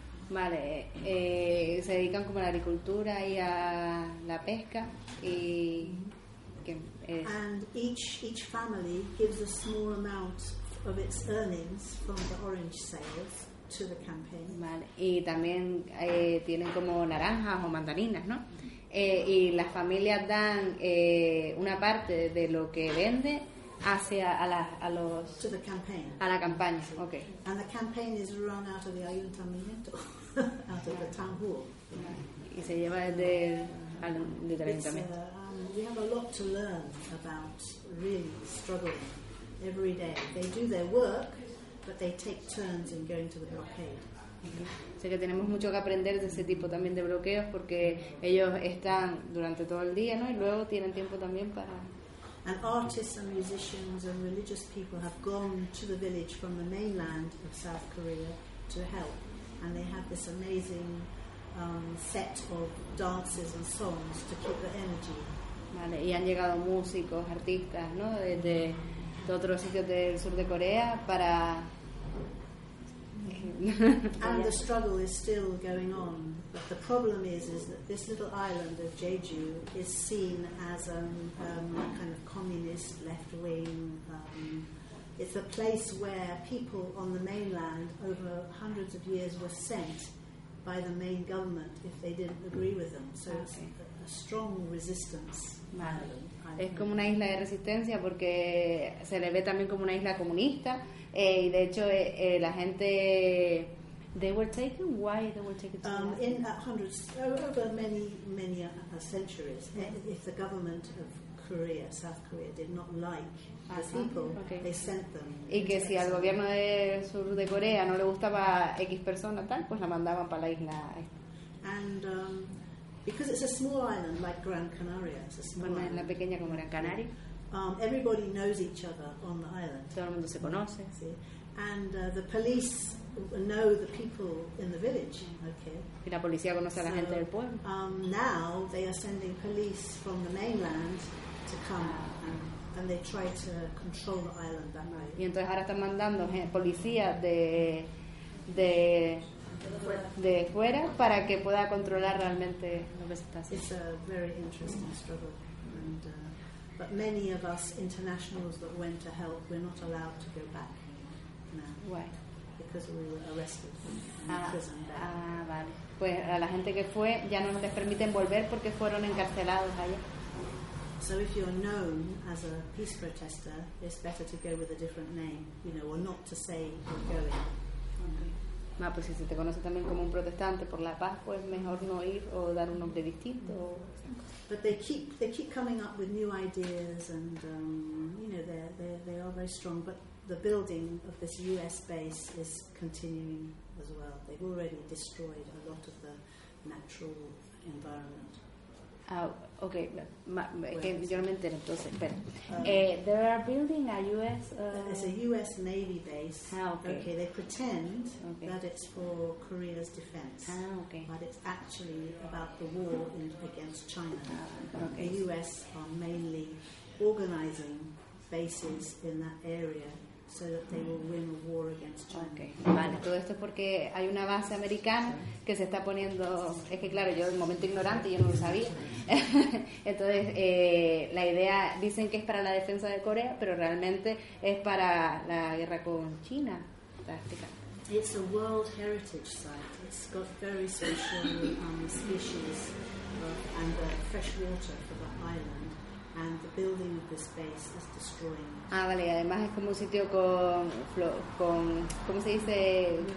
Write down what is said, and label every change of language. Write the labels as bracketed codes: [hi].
[es] Vale, se dedican como a la agricultura y a la pesca y que es. [en] And each family gives a small amount of its earnings from the orange sales to the campaign. [es] Vale, y también tienen como naranjas o mandarinas, ¿no? Y las familias dan una parte de lo que vende hacia a la campaña. [en] Okay. And the campaign is run out of the ayuntamiento. Out of the town hall. [es] Y se lleva desde el ayuntamiento. [en] We have a lot to learn about really struggling every day. They do their work, but they take turns in going to the blockade. [es] Sé que tenemos mucho que aprender de ese tipo también de bloqueos, porque ellos están durante todo el día, ¿no? Y luego tienen tiempo también para. [en] And artists and musicians and religious people have gone to the village from the mainland of South Korea to help. And they have this amazing set of dances and songs to keep the energy. [es] Vale, y han llegado músicos, artistas, ¿no? Desde otros sitios del sur de Corea para. [en] And the struggle is still going on. But the problem is that this little island of Jeju is seen as a kind of communist left-wing. It's a place where people on the mainland over hundreds of years were sent by the main government if they didn't agree with them. So it's a strong resistance. [es] Es como una isla de resistencia porque se le ve también como una isla comunista. Y de hecho la gente. [en] They were taken. Why they were taken? In hundreds, over many centuries, if the government of Korea, South Korea, did not like the people, okay, they sent them. [es] Y que si al gobierno de sur de Corea no le gustaba X persona tal, pues la mandaban para la isla. [en] And because it's a small island like Gran Canaria, it's a small [es] island. La pequeña como Gran Canaria. [en] Everybody knows each other on the island. [es] Todo el mundo se conoce. Sí. [en] And the police know the people in the village, okay. [es] Y la policía conoce a la gente del pueblo. [en] Now they are sending police from the mainland to come and they try to control the island that night. [es] Y entonces ahora están mandando policía de fuera para que pueda controlar realmente lo que se está haciendo. [en] It's a very interesting struggle. And, but many of us internationals that went to help, we're not allowed to go back now. Why? Because we were arrested and imprisoned there. [es] Ah, vale. Pues a la gente que fue, ya no les permiten volver porque fueron encarcelados allá. [en] So if you're known as a peace protester, it's better to go with a different name, you know, or not to say you're going. Okay. [es] Ah, pues si se te conoce también como un protestante por la paz, pues mejor no ir o dar un nombre distinto. [en] But they keep coming up with new ideas and you know they are very strong. But the building of this U.S. base is continuing as well. They've already destroyed a lot of the natural environment. [es] Okay, yo no me entero entonces. Pero [en] there are building a U.S. It's a U.S. Navy base. Okay, they pretend that it's for Korea's defense. Okay, but it's actually about the war against China. Okay. The U.S. are mainly organizing bases in that area so that they will win a war against China. Okay. [es] Vale, todo esto es porque hay una base americana que se está poniendo. Es que claro, yo de momento ignorante, yo no lo sabía. Entonces, la idea, dicen que es para la defensa de Corea, pero realmente es para la guerra con China. Táctica. [en] It's a World Heritage Site. It's got very special species and fresh water for the island. And the building of this base is destroying it. [es] Ah, vale. Además es como un sitio con ¿cómo se dice?